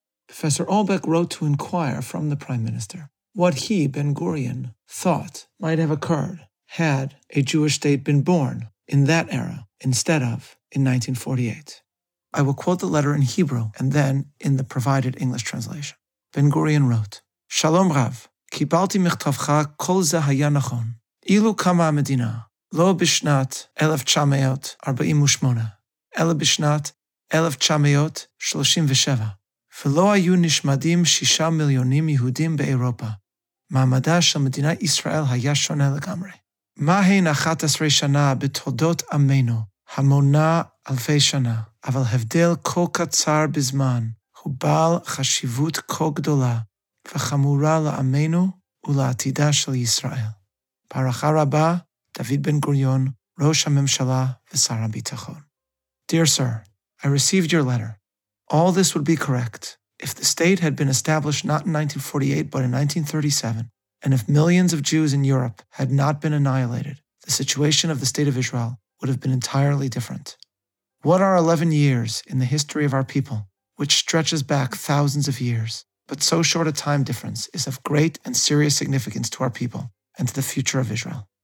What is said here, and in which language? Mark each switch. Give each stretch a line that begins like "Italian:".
English: Professor Albeck wrote to inquire from the Prime Minister what he, Ben-Gurion, thought might have occurred had a Jewish state been born in that era instead of in 1948. I will quote the letter in Hebrew and then in the provided English translation. Ben-Gurion wrote, Shalom Rav.
Hebrew: קיבלתי מכתבך כל זה היה נכון. אילו קמה המדינה, לא בשנת 1948, אלא בשנת 1937, ולא היו נשמדים 6 מיליונים יהודים באירופה. מעמדה של מדינת ישראל היה שונה לגמרי. מה הן 11 שנה בתולדות עמנו, המונה אלפי שנה, אבל הבדל כל קצר בזמן, הוא בעל חשיבות כל גדולה, וחמורה לעמנו ולעתידה של ישראל. בהערכה רבה, דוד בן-גוריון, ראש הממשלה ושר הביטחון.
English: Dear sir, I received your letter. All this would be correct if the state had been established not in 1948 but in 1937, and if millions of Jews in Europe had not been annihilated, the situation of the state of Israel would have been entirely different. What are 11 years in the history of our people, which stretches back thousands of years, but so short a time difference is of great and serious significance to our people and to the future of Israel.